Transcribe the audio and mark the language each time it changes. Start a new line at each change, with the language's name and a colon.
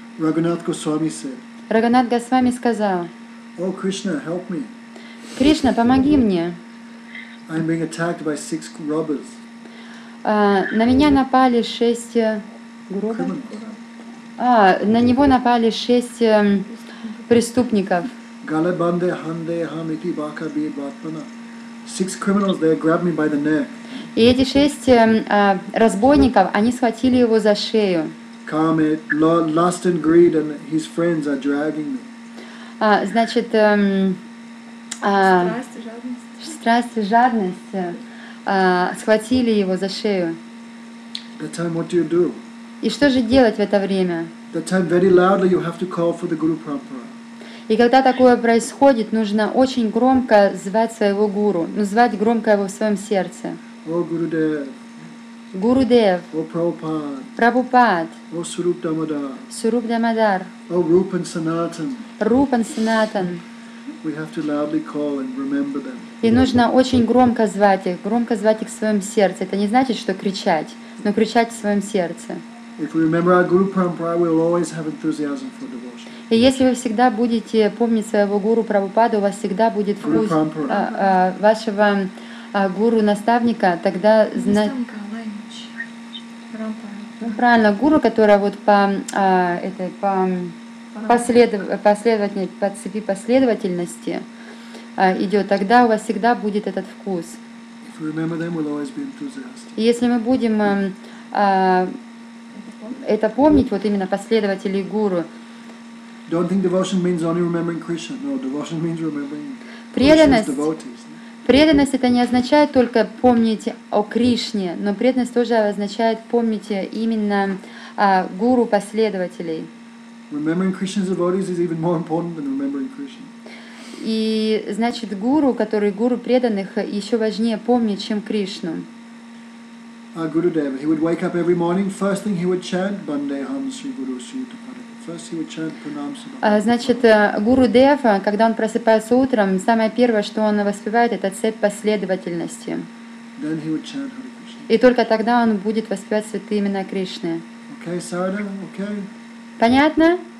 Russian: Раганат Госвами сказал,
English: «О, Кришна, help me.
Russian: Кришна, помоги мне.
English: I'm being attacked by six robbers.
Russian: На меня напали шесть гуров. На него напали шесть преступников.
English: Six criminals, they grabbed me by the neck.
Russian: И эти шесть разбойников, они схватили его за шею.
English: Come, lust and greed and his friends are dragging me.
Russian: Значит, страсть и жадность схватили его за шею.
English: That time, what do you do?
Russian: И что же делать в это время?
English: That time very loudly you have to call for the Guru Parampara.
Russian: И когда такое происходит, нужно очень громко звать своего гуру, звать громко его в своем сердце. О Гуру Дев. Гуру Дев. О Прабхупад. Прабхупад. О Суруп Дамодар. Суруп Дамодар. О Рупан Санатан. Рупан Санатан.
English: We have to loudly call and remember them.
Russian: И нужно очень громко звать их в своем сердце. Это не значит, что кричать, но кричать в своем сердце.
English: If we remember our Guru Parampara, we will always have enthusiasm for devotion.
Russian: И если вы всегда будете помнить своего Гуру Прабхупаду, у вас всегда будет вкус вашего Гуру-наставника, тогда знать... Правильно, Гуру, которая вот по цепи последовательности идет, тогда у вас всегда будет этот вкус.
English: If we remember them, we'll always be enthusiastic.
Russian: И если мы будем... это помнить вот именно последователей гуру.
English: Don't think devotion means only remembering Krishna. No, devotion means remembering
Russian: преданность. Преданность это не означает только помнить о Кришне, но преданность тоже означает помнить именно гуру последователей.
English: Remembering Krishna's devotees is even more important than remembering Krishna.
Russian: И значит гуру, который гуру преданных, еще важнее помнить, чем Кришну.
English: Our Guru Dev, he would wake up every morning. First thing he would chant, Bandeham Sri Guru Sri Yudhapada. First he would chant Pranam Subhadra.
Russian: Значит, Гуру Дев, когда он просыпается утром, самое первое, что он воспевает, это цепь последовательности.
English: Then he would chant Hare Krishna.
Russian: И только тогда он будет воспевать святые имена Кришны.
English: Okay, Sarada, okay.
Russian: Понятно?